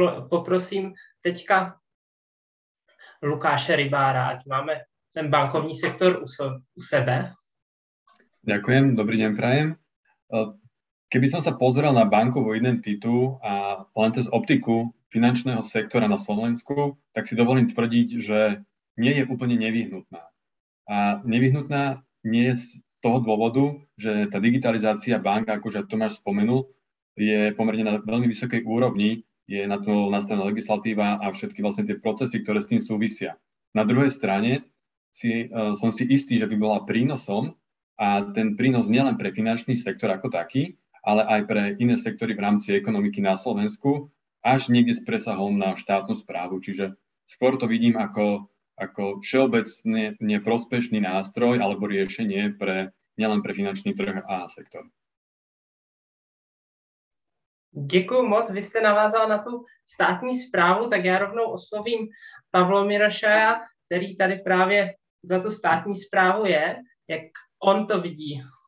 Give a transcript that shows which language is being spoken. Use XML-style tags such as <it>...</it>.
<cs>Poprosím teďka Lukáše Rybára, ať máme ten bankovní sektor u sebe.</cs> <sk>Ďakujem, dobrý deň prajem. Keby som sa pozrel na bankovú identitu a len cez optiku finančného sektora na Slovensku, tak si dovolím tvrdiť, že nie je úplne nevyhnutná. A nevyhnutná nie je z toho dôvodu, že tá digitalizácia bank, ako už Tomáš spomenul, je pomerne na veľmi vysokej úrovni, je na to nastavená legislatíva a všetky vlastne tie procesy, ktoré s tým súvisia. Na druhej strane som si istý, že by bola prínosom a ten prínos nielen pre finančný sektor ako taký, ale aj pre iné sektory v rámci ekonomiky na Slovensku, až niekde s presahom na štátnu správu. Čiže skôr to vidím ako všeobecne neprospešný nástroj alebo riešenie pre nielen pre finančný trh a sektor.</sk> <cs>Ďakujem moc, vy ste navázal na tú státní správu, tak ja rovnou oslovím Pavla Mirošaja, ktorý tady práve za tú státní správu je, jak on to vidí.</cs>